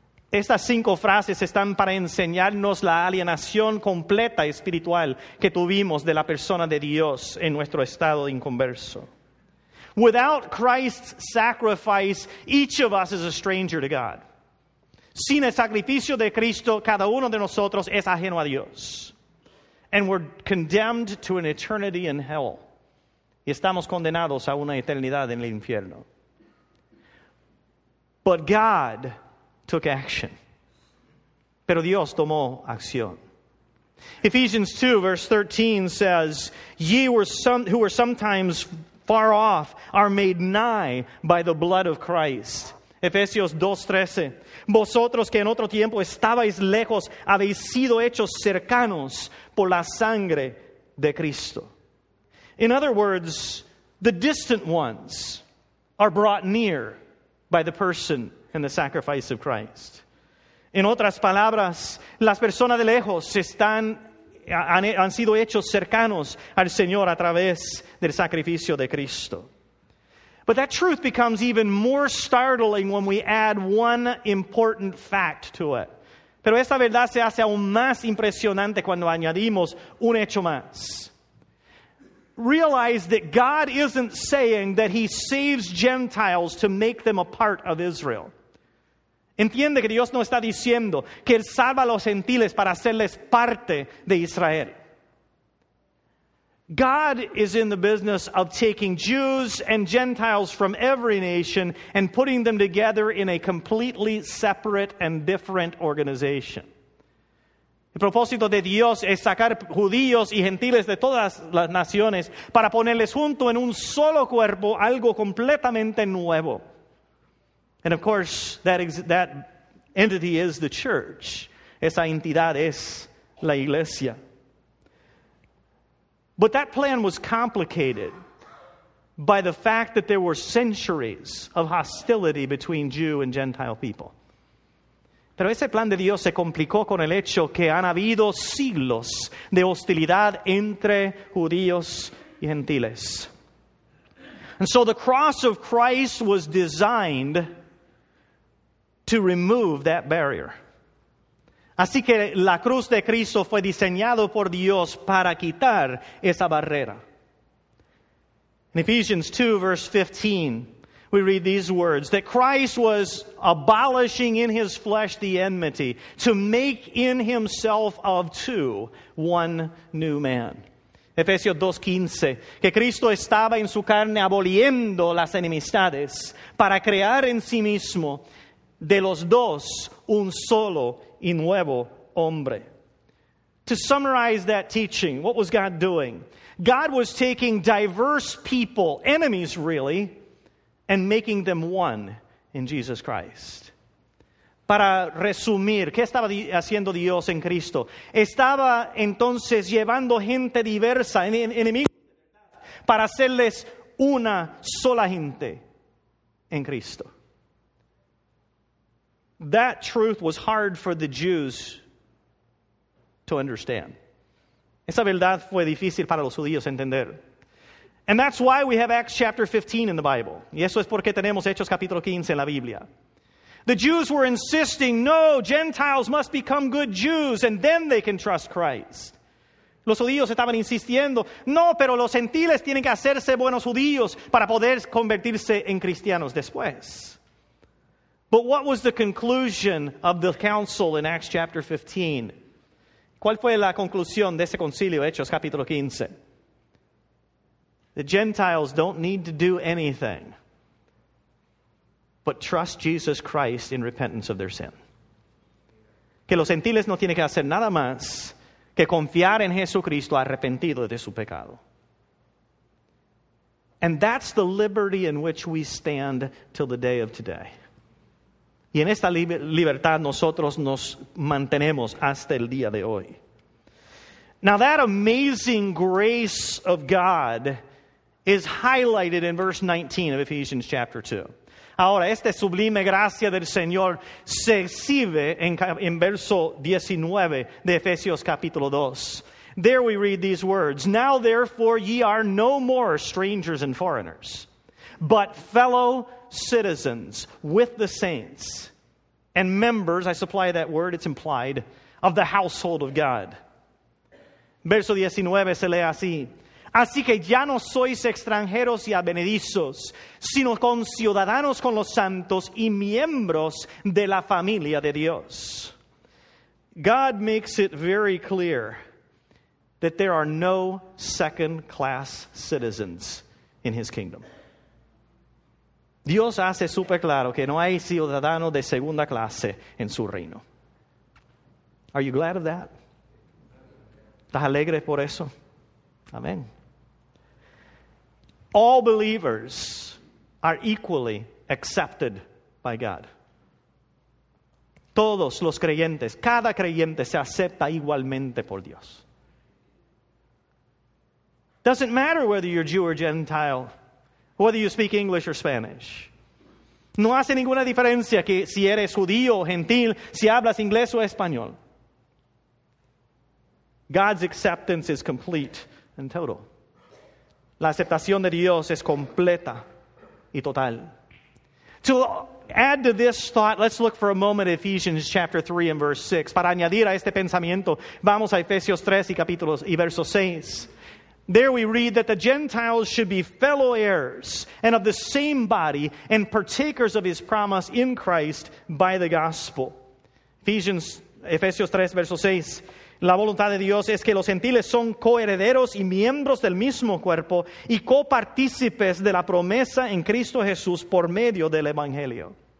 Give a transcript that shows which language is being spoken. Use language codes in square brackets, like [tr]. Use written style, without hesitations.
[es] Estas cinco frases están para enseñarnos la alienación completa espiritual que tuvimos de la persona de Dios en nuestro estado de inconverso. [en] Without Christ's sacrifice, each of us is a stranger to God. [es] Sin el sacrificio de Cristo, cada uno de nosotros es ajeno a Dios. [en] And we're condemned to an eternity in hell. [es] Y estamos condenados a una eternidad en el infierno. [en] But God took action. [es] Pero Dios tomó acción. [en] Ephesians 2, verse 13 says, who were sometimes far off are made nigh by the blood of Christ. [es] Efesios 2, 13. Vosotros que en otro tiempo estabais lejos, habéis sido hechos cercanos por la sangre de Cristo. [en] In other words, the distant ones are brought near by the person and the sacrifice of Christ. [es] En otras palabras, las personas de lejos están han sido hechos cercanos al Señor a través del sacrificio de Cristo. [en] But that truth becomes even more startling when we add one important fact to it. [es] Pero esta verdad se hace aún más impresionante cuando añadimos un hecho más. [en] Realize that God isn't saying that he saves Gentiles to make them a part of Israel. [es] Entiende que Dios no está diciendo que él salva a los gentiles para hacerles parte de Israel. [en] God is in the business of taking Jews and Gentiles from every nation and putting them together in a completely separate and different organization. [es] El propósito de Dios es sacar judíos y gentiles de todas las naciones para ponerles junto en un solo cuerpo algo completamente nuevo. [en] And of course, that entity is the church. [es] Esa entidad es la iglesia. [en] But that plan was complicated by the fact that there were centuries of hostility between Jew and Gentile people. [es] Pero ese plan de Dios se complicó con el hecho que han habido siglos de hostilidad entre judíos y gentiles. [en] And so the cross of Christ was designed to remove that barrier. [es] Así que la cruz de Cristo fue diseñado por Dios para quitar esa barrera. [en] In Ephesians 2, verse 15, we read these words, that Christ was abolishing in his flesh the enmity to make in himself of two one new man. [es] Efesios 2:15, que Cristo estaba en su carne aboliendo las enemistades para crear en sí mismo de los dos un solo y nuevo hombre. [en] To summarize that teaching, what was God doing? God was taking diverse people, enemies really, and making them one in Jesus Christ. [es] Para resumir, ¿qué estaba haciendo Dios en Cristo? Estaba entonces llevando gente diversa, enemigos, para hacerles una sola gente en Cristo. [en] That truth was hard for the Jews to understand. [es] Esa verdad fue difícil para los judíos entender. [en] And that's why we have Acts chapter 15 in the Bible. [es] Y eso es porque tenemos Hechos capítulo 15 en la Biblia. [en] The Jews were insisting, no, Gentiles must become good Jews and then they can trust Christ. [es] Los judíos estaban insistiendo, no, pero los gentiles tienen que hacerse buenos judíos para poder convertirse en cristianos después. [en] But what was the conclusion of the council in Acts chapter 15? [es] ¿Cuál fue la conclusión de ese concilio, Hechos capítulo 15? [en] The Gentiles don't need to do anything but trust Jesus Christ in repentance of their sin. [es] Que los gentiles no tienen que hacer nada más que confiar en Jesucristo arrepentido de su pecado. [en] And that's the liberty in which we stand till the day of today. [es] Y en esta libertad nosotros nos mantenemos hasta el día de hoy. [en] Now that amazing grace of God is highlighted in verse 19 of Ephesians chapter 2. [es] Ahora, esta sublime gracia del Señor se exhibe en verso 19 de Efesios capítulo 2. [en] There we read these words, "Now therefore ye are no more strangers and foreigners, but fellow citizens with the saints and members," I supply that word, it's implied, "of the household of God." [es] Verso 19 se lee así. Así que ya no sois extranjeros y advenedizos, sino conciudadanos con los santos y miembros de la familia de Dios. [en] God makes it very clear that there are no second-class citizens in his kingdom. [es] Dios hace súper claro que no hay ciudadano de segunda clase en su reino. [en] Are you glad of that? [es] ¿Estás alegre por eso? Amén. [en] All believers are equally accepted by God. [es] Todos los creyentes, cada creyente se acepta igualmente por Dios. [en] Doesn't matter whether you're Jew or Gentile, whether you speak English or Spanish. [es] No hace ninguna diferencia que si eres judío o gentil, si hablas inglés o español. [en] God's acceptance is complete and total. [es] La aceptación de Dios es completa y total. [en] To add to this thought, let's look for a moment at Ephesians chapter 3 and verse 6. [es] Para añadir a este pensamiento, vamos a Efesios 3 y capítulos y verso 6. [en] There we read that the Gentiles should be fellow heirs and of the same body and partakers of his promise in Christ by the gospel. [es] Efesios 3, verso 6. La voluntad de Dios es que los gentiles son coherederos y miembros del mismo cuerpo y copartícipes de la promesa en Cristo Jesús por medio del Evangelio.